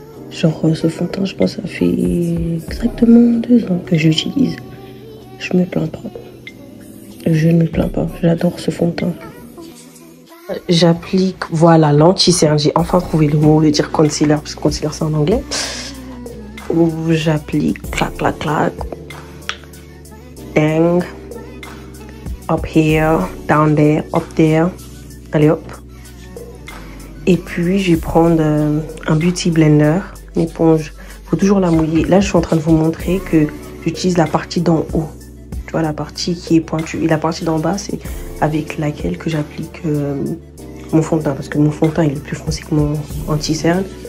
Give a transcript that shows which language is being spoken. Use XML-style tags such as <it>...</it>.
<fr>Genre ce fond de teint, je pense que ça fait exactement 2 ans que j'utilise. Je me plains pas. Je ne me plains pas. J'adore ce fond de teint. J'applique, voilà, l'anti-cerne. J'ai enfin trouvé le mot de dire concealer, parce que concealer c'est en anglais. J'applique, clac, clac, clac. Dang.</fr> <en>Up here, down there, up there.</en> <fr>Allez hop. Et puis je vais prendre un beauty blender. Éponge, faut toujours la mouiller. Là, je suis en train de vous montrer que j'utilise la partie d'en haut, tu vois, la partie qui est pointue, et la partie d'en bas, c'est avec laquelle que j'applique mon fond de teint, parce que mon fond de teint il est plus foncé que mon anti-cerne.</fr>